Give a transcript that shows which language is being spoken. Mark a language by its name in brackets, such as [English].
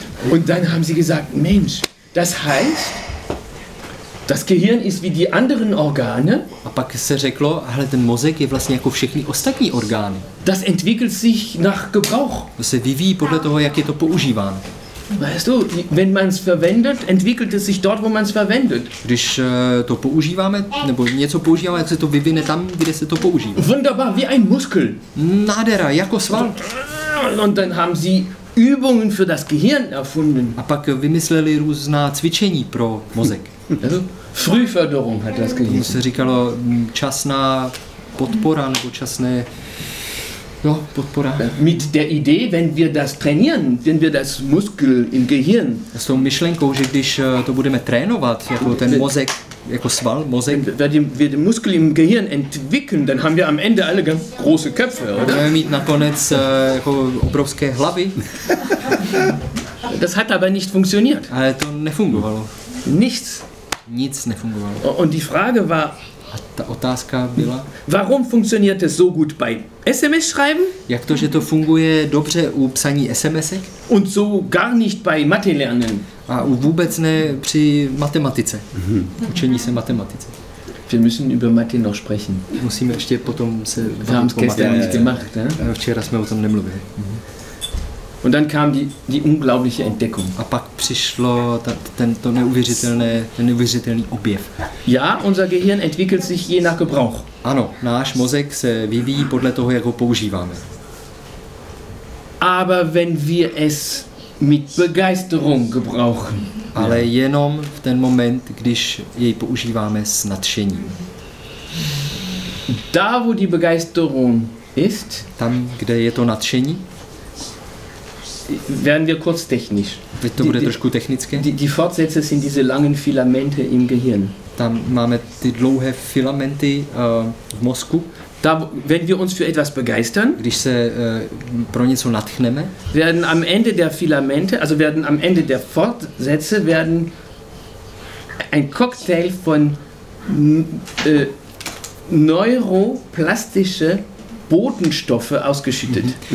[German] Und dann haben sie gesagt, Mensch, das heißt, das Gehirn ist wie die anderen Organe. [Czech] A pak se řeklo, hele, ten mozek je vlastně jako všechny ostatní orgány. [German] Das entwickelt sich nach Gebrauch. [Czech] To se vyvíjí podle toho, jak je to používán. [German] Weißt du, wenn man es verwendet, entwickelt es sich dort, wo man es verwendet. [Czech] Když to používáme, nebo něco používáme, jak se to vyvine tam, kde se to používá. [German] Wunderbar, wie ein Muskel. [Czech] Nádhera, jako sval. [German] Und dann haben sie Übungen für das Gehirn erfunden. [Czech] A pak vymysleli různá cvičení pro mozek. [German] Frühförderung hat das Gehirn. [Czech] Se říkalo časná podpora nebo časné podpora. [German] Mit der Idee, wenn wir das trainieren, wenn wir das Muskel im Gehirn. [Czech] S tou myšlenkou, že když to budeme trénovat, jako ten mozek, jako sval, mozek. [German] Wenn wir den Muskel im Gehirn entwickeln, dann haben wir am Ende alle ganz große Köpfe, oder? [Czech] Budeme mít nakonec jako obrovské hlavy. [German] Das hat aber nicht funktioniert. [Czech] Ale to nefungovalo. [German] Nichts. [Czech] Nic nefungovalo. [German] Und die Frage war, [Czech] a ta otázka byla, [German] warum funktioniert es so gut bei SMS schreiben? [Czech] Jak to, že to funguje dobře u psaní SMSek? [German] Und so gar nicht bei Mathe lernen. [Czech] A vůbec ne při matematice. Učení se matematice. [German] Wir müssen über Mathe noch sprechen. [Czech] Musíme ještě potom se [German] gestern nicht gemacht, ne? [Czech] Včera jsme o tom nemluvili. [German] Und dann kam die unglaubliche Entdeckung. [Czech] A pak přišlo ten neuvěřitelný objev. [German] Ja, unser Gehirn entwickelt sich je nach Gebrauch. [Czech] Ano, náš mozek se vyvíjí podle toho, jak ho používáme. [German] Aber wenn wir es mit Begeisterung gebrauchen. [Czech] Ale jenom v ten moment, když jej používáme s nadšením. [German] Da, wo die Begeisterung ist, [Czech] tam, kde je to nadšení, [German] werden wir kurz technisch. [Czech] To bude trošku technické. [German] Die Fortsätze sind diese langen Filamente im Gehirn. [Czech] Tam máme ty dlouhé filamenty v mozku. [German] Da, wenn wir uns für etwas begeistern, [Czech] když se pro něco nadchneme, [German] werden am Ende der Filamente, also werden am Ende der Fortsätze, werden ein Cocktail von neuroplastische Botenstoffe ausgeschüttet.